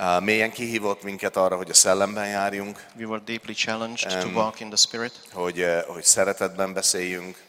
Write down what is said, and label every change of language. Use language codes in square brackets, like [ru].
[hu] Mélyen kihívott minket arra, hogy a szellemben járjunk. [en] We were deeply challenged to walk in the spirit. [hu] Hogy szeretetben beszéljünk.